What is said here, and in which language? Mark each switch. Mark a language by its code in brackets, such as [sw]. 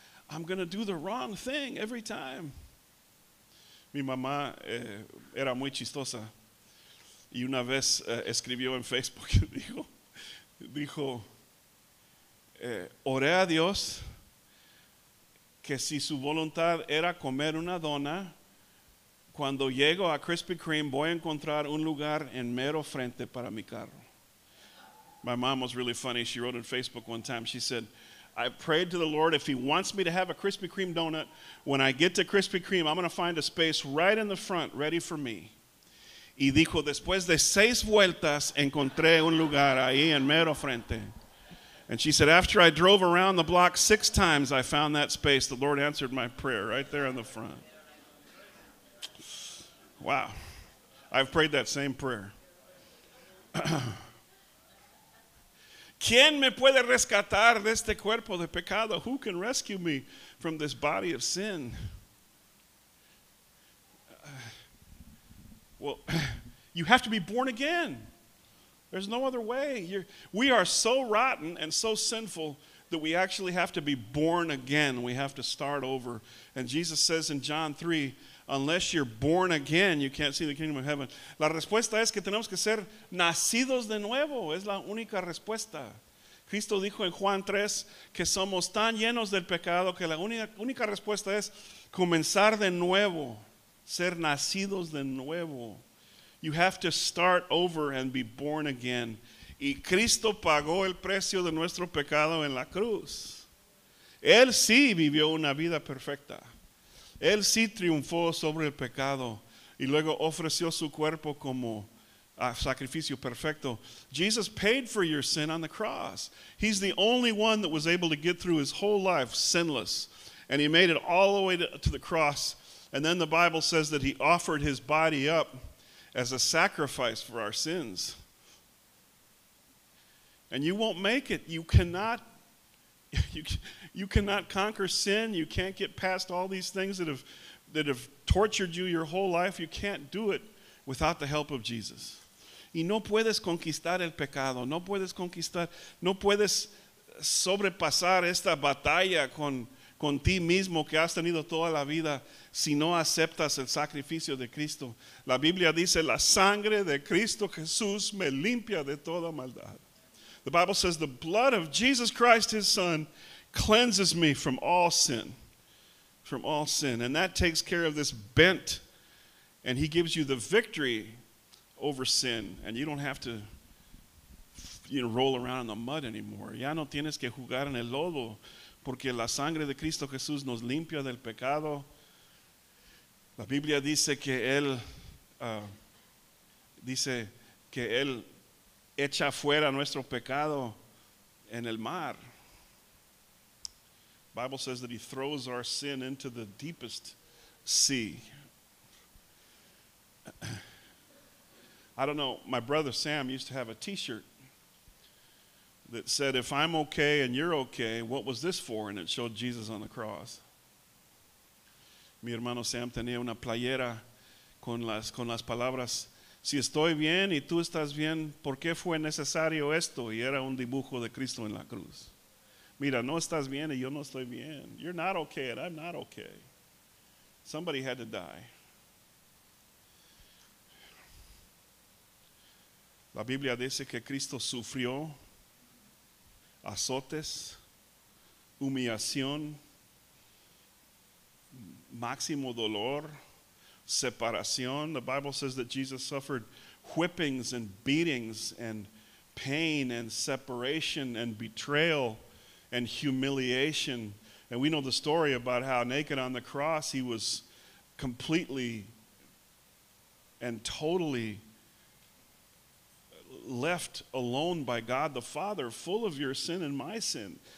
[en] I'm going to do the wrong thing every time. [es] Mi mamá era muy chistosa y una vez escribió en Facebook, dijo, oré a Dios que si su voluntad era comer una dona, cuando llego a Krispy Kreme voy a encontrar un lugar en mero frente para mi carro. [en] My mom was really funny. She wrote on Facebook one time, she said, I prayed to the Lord, if he wants me to have a Krispy Kreme donut, when I get to Krispy Kreme, I'm going to find a space right in the front, ready for me. [es] Y dijo, después de 6 vueltas, encontré un lugar ahí en mero frente. [en] And she said, after I drove around the block 6 times, I found that space. The Lord answered my prayer right there on the front. Wow. I've prayed that same prayer. [es] ¿Quién me puede rescatar de este cuerpo de pecado? [en] Who can rescue me from this body of sin? Well, you have to be born again. There's no other way. We are so rotten and so sinful that we actually have to be born again. We have to start over. And Jesus says in John 3, unless you're born again, you can't see the kingdom of heaven. [es] La respuesta es que tenemos que ser nacidos de nuevo. Es la única respuesta. Cristo dijo en Juan 3 que somos tan llenos del pecado que la única respuesta es comenzar de nuevo. Ser nacidos de nuevo. [en] You have to start over and be born again. [es] Y Cristo pagó el precio de nuestro pecado en la cruz. Él sí vivió una vida perfecta. Él sí triunfó sobre el pecado y luego ofreció su cuerpo como sacrificio perfecto. [en] Jesus paid for your sin on the cross. He's the only one that was able to get through his whole life sinless. And he made it all the way to the cross. And then the Bible says that he offered his body up as a sacrifice for our sins. And you won't make it. You cannot conquer sin. You can't get past all these things that have tortured you your whole life. You can't do it without the help of Jesus. [es] Y no puedes conquistar el pecado. No puedes sobrepasar esta batalla con ti mismo que has tenido toda la vida si no aceptas el sacrificio de Cristo. La Biblia dice, la sangre de Cristo Jesús me limpia de toda maldad. [en] The Bible says, the blood of Jesus Christ, his son, cleanses me from all sin. From all sin. And that takes care of this bent. And he gives you the victory over sin. And you don't have to roll around in the mud anymore. [es] Ya no tienes que jugar en el lodo. Porque la sangre de Cristo Jesús nos limpia del pecado. La Biblia dice que Él echa fuera nuestro pecado en el mar. [en] Bible says that he throws our sin into the deepest sea. I don't know, my brother Sam used to have a t-shirt that said, if I'm okay and you're okay, what was this for? And it showed Jesus on the cross. [es] Mi hermano Sam tenía una playera con las palabras, si estoy bien y tú estás bien, ¿por qué fue necesario esto? Y era un dibujo de Cristo en la cruz. Mira, no estás bien y yo no estoy bien. [en] You're not okay and I'm not okay. Somebody had to die. [es] La Biblia dice que Cristo sufrió azotes, humillación, máximo dolor, separación. [en] The Bible says that Jesus suffered whippings and beatings and pain and separation and betrayal and humiliation. And we know the story about how naked on the cross he was completely and totally left alone by God the Father, full of your sin and my sin.